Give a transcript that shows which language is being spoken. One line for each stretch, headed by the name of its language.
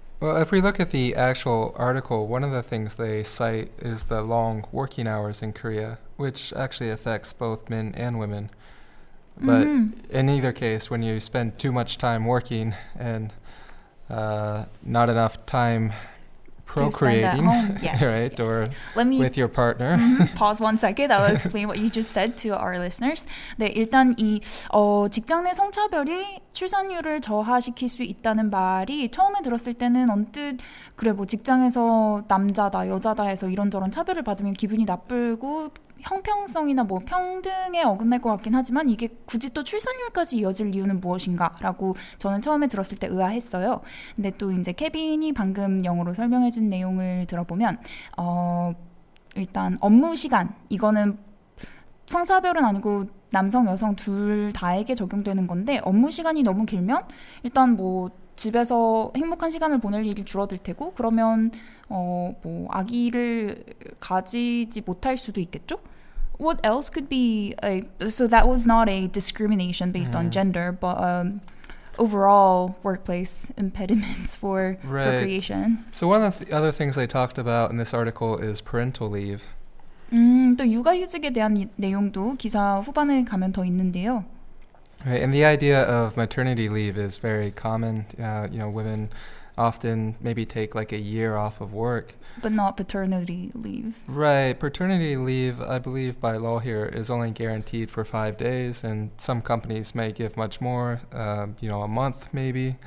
English: Well, if we look at the actual article, one of the things they cite is the long working hours in Korea, which actually affects both men and women. But in either case, when you spend too much time working and not enough time procreating, yes, right? Yes. Or with your partner. Pause 1 second. I'll explain what you just said to our listeners.
Korean: 네, 일단 이 직장 내 성차별이 출산율을 저하시킬 수 있다는 말이 처음에 들었을 때는 언뜻 그래 뭐 직장에서 남자다 여자다 해서 이런저런 차별을 받으면 기분이 나쁘고 형평성이나 뭐 평등에 어긋날 것 같긴 하지만 이게 굳이 또 출산율까지 이어질 이유는 무엇인가라고 저는 처음에 들었을 때 의아했어요. 근데 또 이제 케빈이 방금 영어로 설명해준 내용을 들어보면 일단 업무 시간 이거는 성차별은 아니고 남성 여성 둘 다에게 적용되는 건데 업무 시간이 너무 길면 일단 뭐 집에서 행복한 시간을 보낼 일이 줄어들 테고 그러면 뭐 아기를 가지지 못할 수도 있겠죠?
English: What else could be so that was not a discrimination based on gender, but overall workplace impediments for procreation. So one of the other things they talked about in this article is parental leave.
Korean: 또 육아휴직에 대한 내용도 기사 후반에 가면 더 있는데요.
English: Right, and the idea of maternity leave is very common. You know, women often maybe take like a year off of work. But not paternity leave. Right, paternity leave, I believe by law here, is only guaranteed for 5 days, and some companies may give much more, you know, a month maybe.